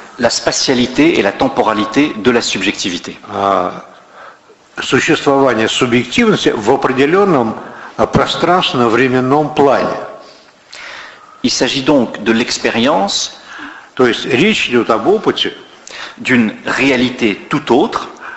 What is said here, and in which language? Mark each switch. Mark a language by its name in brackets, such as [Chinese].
[French] La spatialité et la temporalité de la subjectivité. [Russian] Существование субъективности в определенном пространственно-временном плане. [French] Il s'agit donc de l'expérience, [Russian] то есть речь идет об опыте, [French] d'une réalité tout autre,